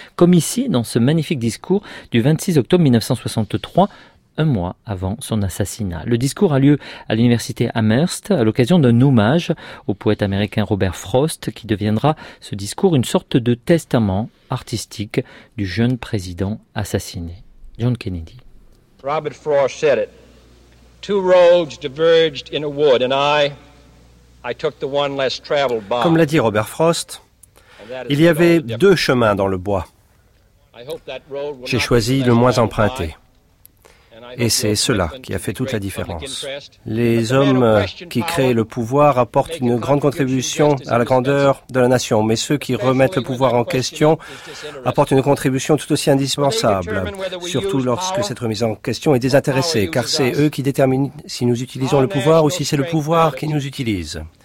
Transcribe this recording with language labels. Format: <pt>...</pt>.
<fr>Comme ici, dans ce magnifique discours du 26 octobre 1963, un mois avant son assassinat. Le discours a lieu à l'université Amherst à l'occasion d'un hommage au poète américain Robert Frost qui deviendra ce discours une sorte de testament artistique du jeune président assassiné, John Kennedy.</fr> <en>Robert Frost said it. Two roads diverged in a wood and I took the one less traveled by.</en> <fr>Comme l'a dit Robert Frost, il y avait deux chemins dans le bois. J'ai choisi le moins emprunté. Et c'est cela qui a fait toute la différence. Les hommes qui créent le pouvoir apportent une grande contribution à la grandeur de la nation, mais ceux qui remettent le pouvoir en question apportent une contribution tout aussi indispensable, surtout lorsque cette remise en question est désintéressée, car c'est eux qui déterminent si nous utilisons le pouvoir ou si c'est le pouvoir qui nous utilise.</fr>